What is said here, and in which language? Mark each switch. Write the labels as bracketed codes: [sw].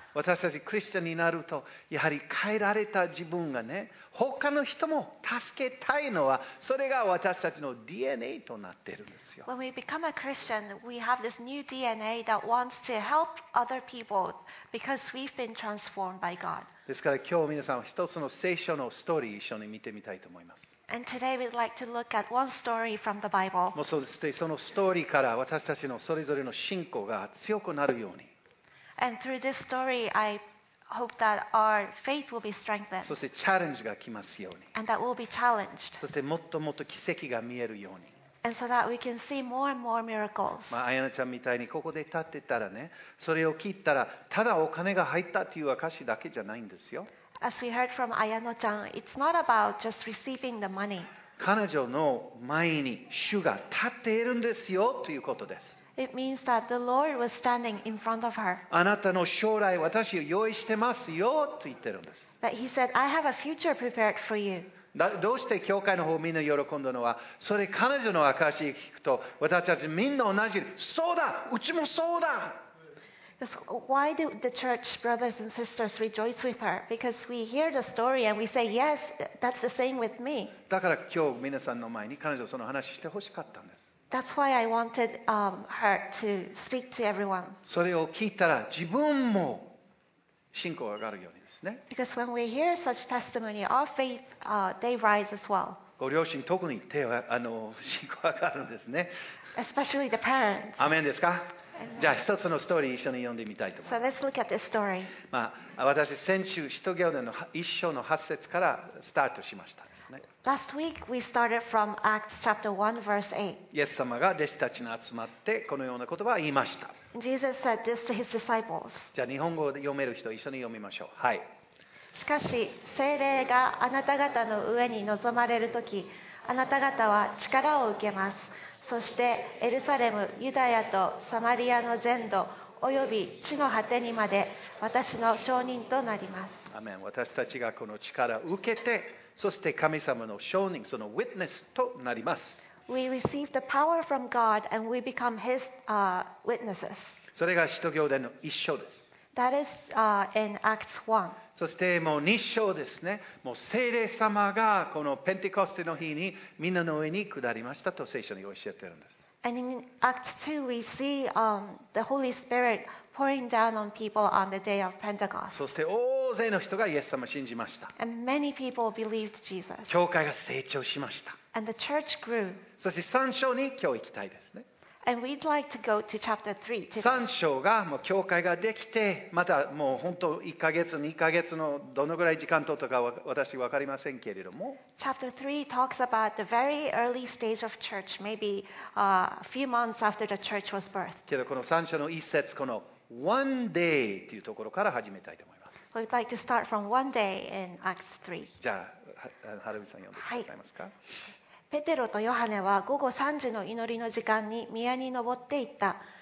[ja] 私たちクリスチャンになるとやはり変えられた自分がね、他の人も助けたいのはそれが私たちの DNA となっているんですよ。 [en] When we become a Christian, we have this new DNA that wants to help other people because we've been transformed by God. [ja] ですから今日皆さん一つの聖書のストーリー一緒に見てみたいと思います。 [en] And today we'd like to look at one story from the Bible. [ja] もうそうですね、そのストーリーから私たちのそれぞれの信仰が強くなるように。 [en] And through this story, I hope that our faith will be strengthened. [ja] そしてチャレンジが来ますように。 [en] And that we'll be challenged. [ja] そしてもっともっと奇跡が見えるように。 [en] And so that we can see more and more miracles. [ja] まあ、あやなちゃんみたいにここで立ってたらね、それを聞いたらただお金が入ったという証だけじゃないんですよ。 [en] As we heard from Ayano-chan, it's not about just receiving the money. [ja] 彼女の前に主が立っているんですよということです。 [en] It means that the Lord was standing in front of her. [ja] あなたの将来私を用意してますよと言ってるんです。 [en] But he said, I have a future prepared for you. [ja] どうして教会の方みんな喜んだのは、それ彼女の証を聞くと私たちみんな同じ、そうだ、うちもそうだ。 [en] Why do the church brothers and sisters rejoice with her? Because we hear the story and we say, yes, that's the same with me. [ja] だから今日皆さんの前に彼女その話してほしかったんです。 [en] That's why I wanted her to speak to everyone. [ja] それを聞いたら自分も信仰が上がるようにですね。 [en] Because when we hear such testimony, our faith they rise as well. [ja] ご両親特に手は信仰が上がるんですね。 [en] Especially the parents. [ja] アメンですか？じゃあ一つのストーリー一緒に読んでみたいと思います。 [en] So、look at this story. [ja] まあ私先週使徒行伝の一章の八節からスタートしましたですね。 [en] Last week we started from Acts chapter 1 verse 8. [ja] イエス様が弟子たちに集まってこのような言葉を言いました。 [en] Jesus said this to his disciples. [ja] じゃあ日本語で読める人一緒に読みましょう。はい。しかし聖霊があなた方の上に臨まれるとき、あなた方は力を受けます。そしてエルサレム、ユダヤとサマリアの全土、および地の果てにまで私の証人となります。アメン。私たちがこの力を受けて、そして神様の証人、そのウィットネスとなります。 [en] We receive the power from God and we become His witnesses. [ja] それが使徒行伝の一章です。 [en] That is in Acts 1. [ja] そしてもう二章ですね。もう聖霊様がこのペンテコステの日にみんなの上に下りましたと聖書に教えているんです。 [en] And in Acts 2, we see the Holy Spirit pouring down on people on the day of Pentecost. [ja] そして大勢の人がイエス様を信じました。 [en] And many people believed Jesus. [ja] 教会が成長しました。 [en] And the church grew. [ja] そして三章に今日行きたいですね。 [en] And we'd like to go to chapter 3 today. [ja] 三章がもう教会ができて、またもう本当1ヶ月、2ヶ月のどのぐらい時間とったか私分かりませんけれども。 [en] Chapter 3 talks about the very early stage of church, maybe a few months after the church was birthed. [ja] けどこの三章の一節、この [en] one day [ja] というところから始めたいと思います。 [en] We'd like to start from one day in Acts 3. [ja] じゃあ、はるみさん読んでくださいますか。はい、ペテロとヨハネは午後3時の祈りの時間に宮に登っていった。